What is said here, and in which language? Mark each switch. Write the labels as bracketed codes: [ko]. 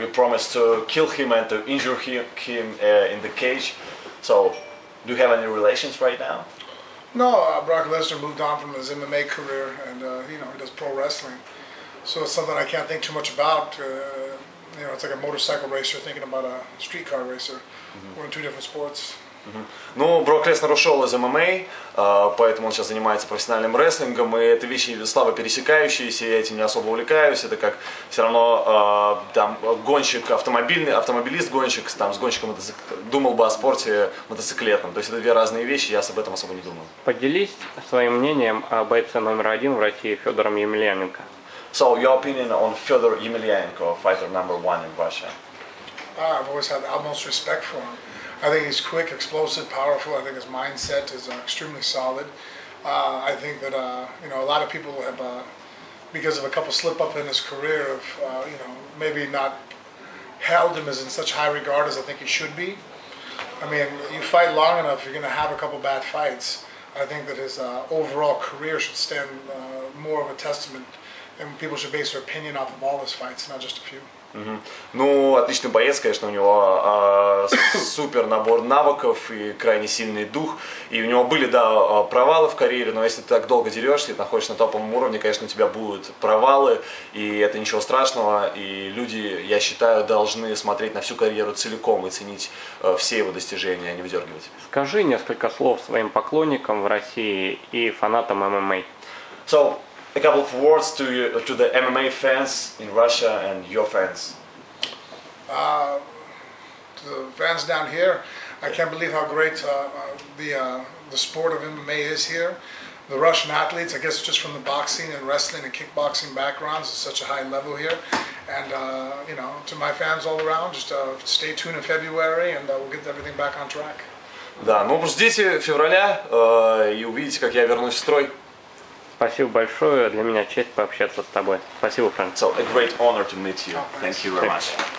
[en] You promised to kill him and to injure him in the cage. So, do you have any relations right now? No, Brock Lesnar moved on from his MMA career and, you know, he does pro wrestling. So it's something I can't think too much about. You know, it's like a motorcycle racer thinking about a streetcar racer. We're in two different sports. [ru] Ну, Брок Леснер ушел из ММА, поэтому он сейчас занимается профессиональным рестлингом, и это вещи слабо пересекающиеся, я этим не особо увлекаюсь, это как все равно там гонщик автомобильный, автомобилист-гонщик там, с гонщиком думал бы о спорте мотоциклетном, то есть это две разные вещи, я об этом особо не думаю. Поделись своим мнением о бойце номер один в России Федором Емельяненко. [en] So, your opinion on Федор Емельяненко, fighter number one in Russia? I've always had utmost respect for him. I think he's quick, explosive, powerful. I think his mindset is extremely solid. I think that you know, a lot of people have, because of a couple slip-up in his career, have you know, maybe not held him as in such high regard as I think he should be. I mean, you fight long enough, you're going to have a couple bad fights. I think that his overall career should stand more of a testament, and people should base their opinion off of all his fights, not just a few. [ru] Ну, отличный боец, конечно, у него супер набор навыков и крайне сильный дух. И у него были, да, провалы в карьере, но если ты так долго дерешься и находишься на топовом уровне, конечно, у тебя будут провалы, и это ничего страшного. И люди, я считаю, должны смотреть на всю карьеру целиком и ценить все его достижения, а не выдергивать. Скажи несколько слов своим поклонникам в России и фанатам ММА. [en] So, a couple of words to you, to the MMA fans in Russia and your fans. To the fans down here, I can't believe how great the sport of MMA is here. The Russian athletes, I guess just from the boxing and wrestling and kickboxing backgrounds, it's such a high level here. And, you know, to my fans all around, just stay tuned in February and we'll get everything back on track. [ru] Да, ну ждите февраля и увидите, как я вернусь в строй. Спасибо большое, для меня честь пообщаться с тобой. Спасибо, Фрэнк. [en] So, a great honor to meet you. Thank you very much.